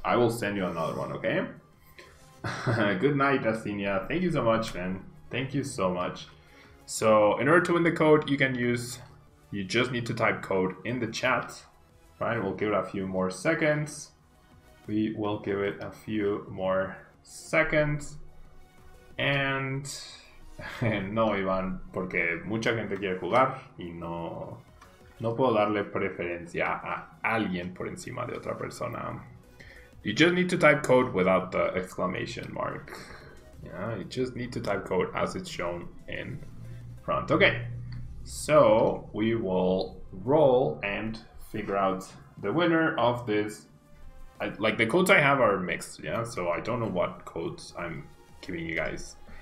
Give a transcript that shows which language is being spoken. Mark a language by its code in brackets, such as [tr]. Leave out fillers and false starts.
[en] I will send you another one, okay? Good night, Astenia. Thank you so much, man. Thank you so much. So in order to win the code, you just need to type code in the chat. Right, we'll give it a few more seconds. We will give it a few more seconds. And no, [es] Ivan, porque mucha gente quiere jugar y no puedo darle preferencia a alguien por encima de otra persona. [en] You just need to type code without the exclamation mark. Yeah, you just need to type code as it's shown in front. Okay, so we will roll and figure out the winner of this. The codes I have are mixed, yeah? So I don't know what codes I'm giving you guys.